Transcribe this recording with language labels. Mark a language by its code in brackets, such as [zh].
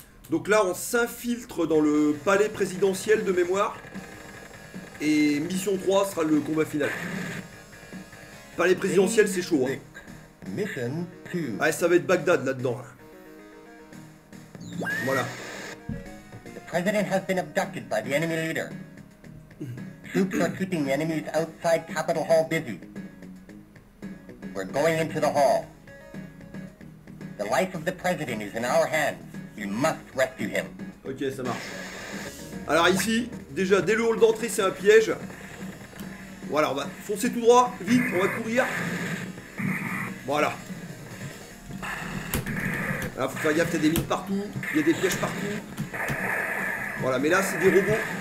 [fr] Donc là, on s'infiltre dans le palais présidentiel de mémoire. Et mission 3 sera le combat final. Palais présidentiel, c'est chaud. Hein. Mission 2. Ouais, ça va être Bagdad là-dedans. Voilà. [en] The president has been abducted by the enemy leader. Troops are keeping the enemies outside Capitol Hall busy. We're going into the hall. The life of the president is in our hands. We must rescue him. [fr] Ok, ça marche. Alors ici, déjà, dès le hall d'entrée, c'est un piège. Voilà, on va foncer tout droit, vite, on va courir. Voilà. Alors, faut faire gaffe, t'as des mines partout, il y a des pièges partout. Voilà, mais là, c'est des robots.